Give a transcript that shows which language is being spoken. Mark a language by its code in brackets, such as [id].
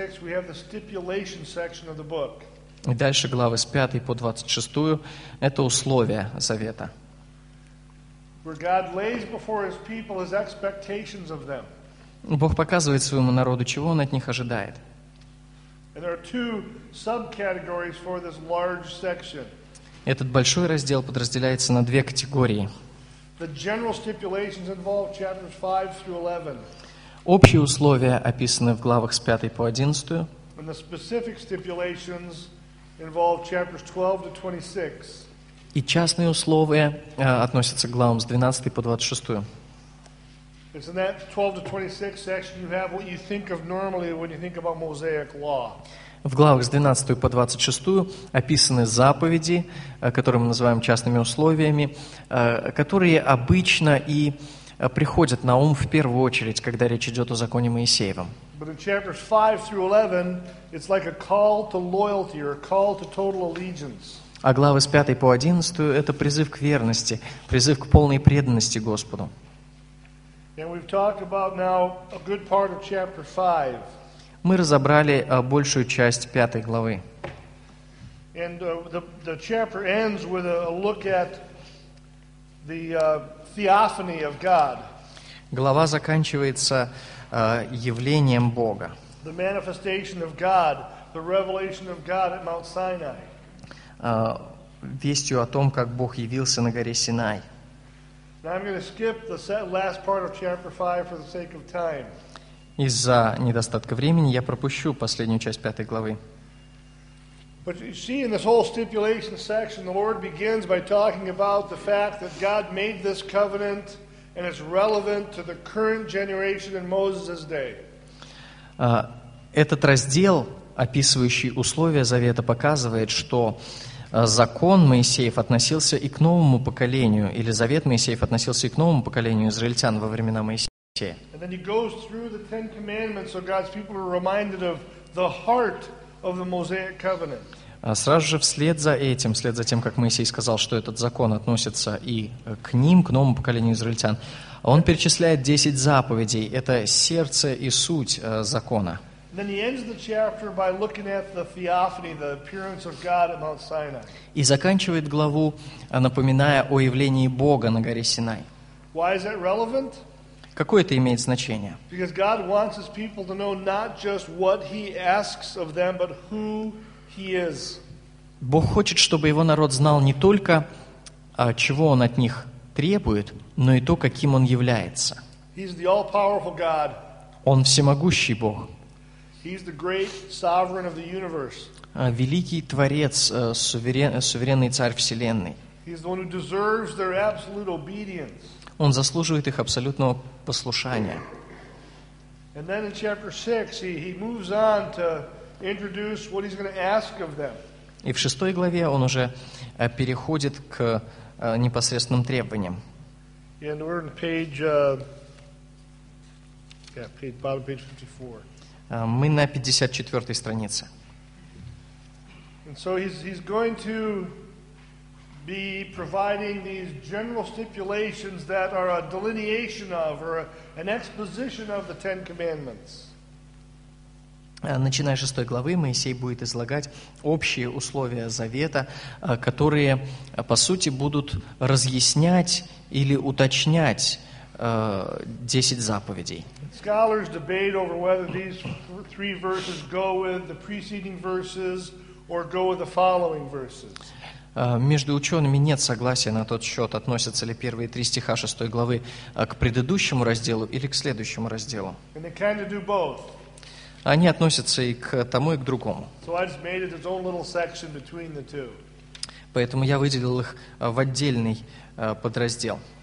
[ru] И дальше главы с 5 по 26 — это условия Завета. Бог показывает своему народу, чего Он от них ожидает. [en] And there are two subcategories for this large section. [ru] Этот большой раздел подразделяется на две категории. [en] The general stipulations involve chapters 5 through 11. [ru] Общие условия описаны в главах с 5 по 11. [en] And the specific stipulations involve chapters 12 to 26. [ru] И частные условия относятся к главам с 12 по 26. [en] It's in that 12 to 26 section you have what you think of normally when you think about Mosaic law. [ru] В главах с 12 по 26 описаны заповеди, которые мы называем частными условиями, которые обычно и приходят на ум в первую очередь, когда речь идет о законе Моисеевом. [en] But in chapters 5 through 11, it's like a call to loyalty or a call to total allegiance. [ru] А главы с 5 по 11 — это призыв к верности, призыв к полной преданности Господу. [en] And we've talked about now a good part of chapter 5. [ru] Мы разобрали большую часть пятой главы. [en] And the chapter ends with a look at the theophany of God. [ru] Глава заканчивается явлением Бога. [en] The manifestation of God, the revelation of God at Mount Sinai. [ru] Вестью о том, как Бог явился на горе Синай. [en] Now I'm going to skip the last part of chapter 5 for the sake of time. [ru] Из-за недостатка времени я пропущу последнюю часть пятой главы. [en] But you see, in this whole stipulation section, the Lord begins by talking about the fact that God made this covenant, and it's relevant to the current generation in Moses' day. [ru] Этот раздел, описывающий условия завета, показывает, что закон Моисеев относился и к новому поколению, или завет Моисеев относился и к новому поколению израильтян во времена Моисея. [en] And then he goes through the Ten Commandments, so God's people are reminded of the heart of the Mosaic Covenant. [ru] Сразу же вслед за тем, как Моисей сказал, что этот закон относится и к ним, к новому поколению израильтян, он перечисляет 10 заповедей. Это сердце и суть закона. [en] Then he ends the chapter by looking at the theophany, the appearance of God at Mount Sinai. [ru] И заканчивает главу, напоминая о явлении Бога на горе Синай. [en] Why is that relevant? [ru] Какое это имеет значение? [en] Because God wants his people to know not just what he asks of them, but who he is. [ru] Бог хочет, чтобы его народ знал не только, чего он от них требует, но и то, каким он является. [en] He's the all-powerful God. [ru] Он всемогущий Бог. [en] He's the great sovereign of the universe. [ru] Великий творец, суверенный царь вселенной. [en] He's the one who deserves their absolute obedience. [ru] Он заслуживает их абсолютного послушания. [en] And then in chapter 6 he moves on to introduce what he's going to ask of them. [ru] И в шестой главе он уже переходит к непосредственным требованиям. [en] And we're on page 54. [ru] Мы на 54-й странице. [en] And so he's going to be providing these general stipulations that are a delineation of or an exposition of the Ten Commandments. [ru] Начиная с 6 главы, Моисей будет излагать общие условия завета, которые, по сути, будут разъяснять или уточнять 10 заповедей. [en] Scholars debate over whether these three verses go with the preceding verses or go with the following verses. [ru] Между учеными нет согласия на тот счет, относятся ли первые три стиха шестой главы к предыдущему разделу или к следующему разделу. [en] And they kind of do both. [ru] Они относятся и к тому, и к другому. [en] So I just made it its own little section between the two. [ru] Поэтому я выделил их в отдельный подраздел.